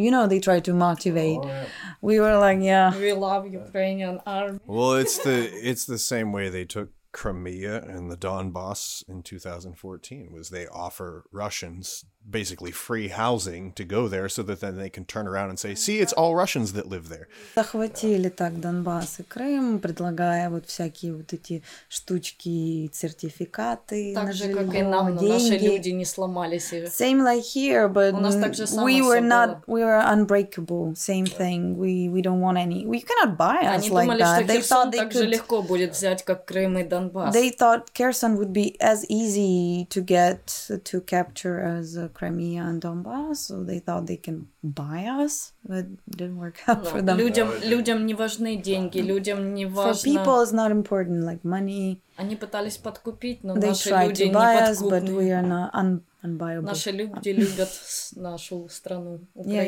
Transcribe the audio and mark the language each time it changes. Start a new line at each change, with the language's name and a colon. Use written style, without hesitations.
English: You know, they try to motivate. We were like, yeah. We love Ukrainian army. Well, it's the same way they took Crimea and the Donbass in 2014, was they offer Russians basically free housing to go there so that then they can turn around and say, see, it's all Russians that live there.
Russian: Захватили так Донбас і Крим, предлагая вот всякие вот эти штучки, сертификаты на жильё. Так же, как и нам, наши люди не сломались.
English: Same like here, but we were not, we were unbreakable. Same thing. We don't want any, we cannot buy us like that. They thought they could...
Russian: Так же легко будет взять, как Крым и Донбас.
English: They thought Kherson would be as easy to get, to capture as Crimea and Donbass, so they thought they can buy us, but it didn't work out for them.
Russian: Людям не важны деньги, людям не важно.
English: For people, it's not important, like money.
Russian: Они пытались подкупить, но наши люди не подкупны.
English: They tried to buy us, but we are not unbuyable.
Russian: Наши люди любят нашу страну, Украину.